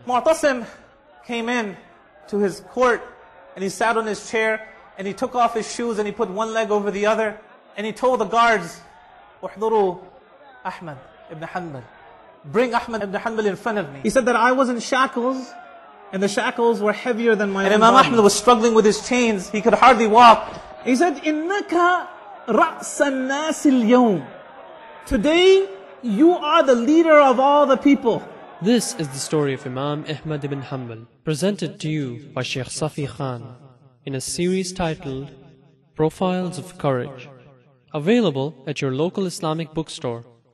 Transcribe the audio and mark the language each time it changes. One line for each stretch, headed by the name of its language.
English: Mu'tasim came in to his court and he sat on his chair and he took off his shoes and he put one leg over the other and he told the guards,
Arabic: احضروا أحمد
English: Ibn Hanbal. Bring Ahmad ibn Hanbal in front of me. He said that I was in shackles, and the shackles were heavier than my own. And Imam Ahmad was struggling with his chains. He could hardly walk.
Arabic: He said, إِنَّكَ رَأْسَ النَّاسِ الْيَوْمِ.
English: Today, you are the leader of all the people. This is the story of Imam Ahmad ibn Hanbal, presented to you by Sheikh Safi Khan in a series titled Profiles of Courage, available at your local Islamic bookstore.